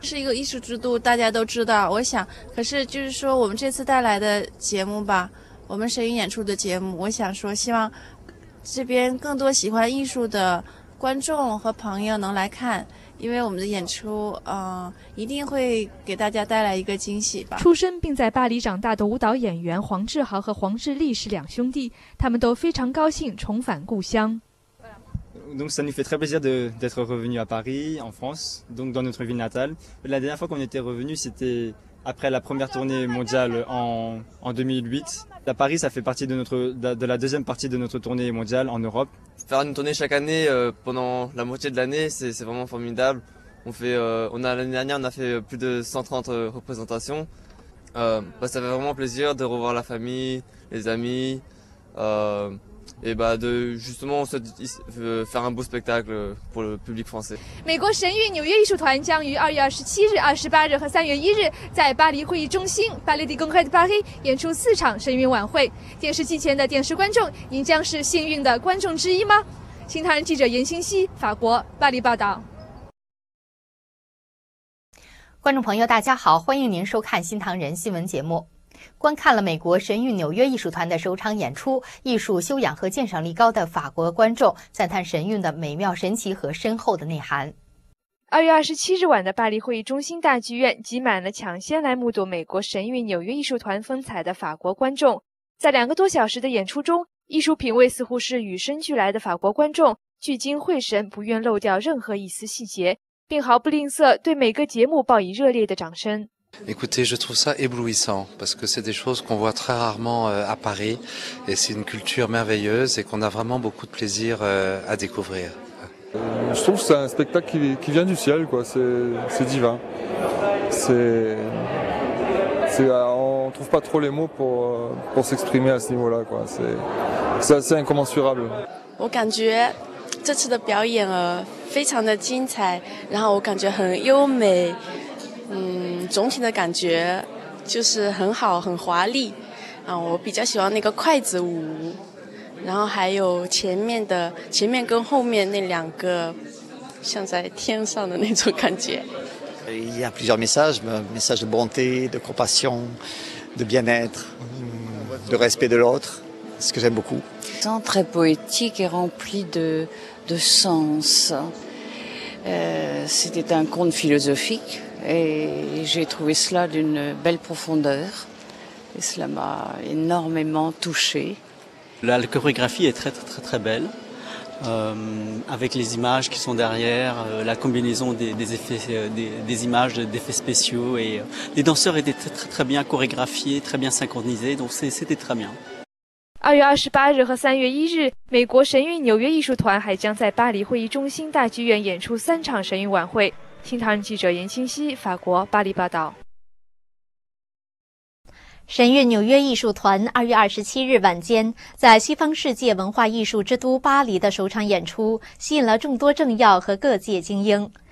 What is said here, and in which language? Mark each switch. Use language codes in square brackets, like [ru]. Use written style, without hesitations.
[zh] 是一个艺术之都，大家都知道。我想，可是就是说我们这次带来的节目吧，我们神韵演出的节目，我想说希望这边更多喜欢艺术的观众和朋友能来看，因为我们的演出一定会给大家带来一个惊喜吧。出生并在巴黎长大的舞蹈演员黄志豪和黄志立是两兄弟，他们都非常高兴重返故乡。 [fr] Donc ça nous fait très plaisir d'être revenu à Paris en France, donc dans notre ville natale. La dernière fois qu'on était revenu, c'était après la première tournée mondiale en 2008. À Paris, ça fait partie de la deuxième partie de notre tournée mondiale en Europe. Faire une tournée chaque année pendant la moitié de l'année, c'est vraiment formidable. L'année dernière, on a fait plus de 130 représentations. Ça fait vraiment plaisir de revoir la famille, les amis, faire un beau spectacle pour le public français. [zh] 美国神韵纽约艺术团将于2月27日、28日和3月1日在巴黎会议中心 Palais des Congrès de Paris 演出四场神韵晚会。电视机前的电视观众，您将是幸运的观众之一吗？新唐人记者严欣希，法国巴黎报道。观众朋友大家好，欢迎您收看新唐人新闻节目。观看了美国神韵纽约艺术团的首场演出，艺术修养和鉴赏力高的法国观众赞叹神韵的美妙神奇和深厚的内涵。 2月27日晚的巴黎会议中心大剧院挤满了抢先来目睹美国神韵纽约艺术团风采的法国观众。在两个多小时的演出中，艺术品味似乎是与生俱来的，法国观众聚精会神，不愿漏掉任何一丝细节，并毫不吝啬对每个节目报以热烈的掌声。 [fr] Écoutez, je trouve ça éblouissant parce que c'est des choses qu'on voit très rarement à Paris et c'est une culture merveilleuse et qu'on a vraiment beaucoup de plaisir à découvrir. Je trouve que c'est un spectacle qui vient du ciel, quoi. C'est divin. On ne trouve pas trop les mots pour s'exprimer à ce niveau-là, quoi. C'est assez incommensurable. [zh] 我感觉这次的表演非常的精彩，然后我感觉很优美。总体的感觉就是很好，很华丽啊！我比较喜欢那个筷子舞，然后还有前面跟后面那两个像在天上的那种感觉。 [fr] Il y a plusieurs messages, message de bonté, de compassion, de bien-être, de respect de l'autre, ce que j'aime beaucoup. C'est très poétique et rempli de sens. C'était un conte philosophique. Et j'ai trouvé cela d'une belle profondeur. Et cela m'a énormément touchée. La chorégraphie est très, très, très, très belle. Avec les images qui sont derrière, la combinaison des images d'effets spéciaux. Et les danseurs étaient très, très, très bien chorégraphiés, très bien synchronisés. Donc c'était très bien. [zh] 2月28日和3月1日，美国神韵纽约艺术团还将在巴黎会议中心大剧院演出三场神韵晚会。新唐人记者严欣希，法国巴黎报道。神韵纽约艺术团2月27日晚间在西方世界文化艺术之都巴黎的首场演出吸引了众多政要和各界精英。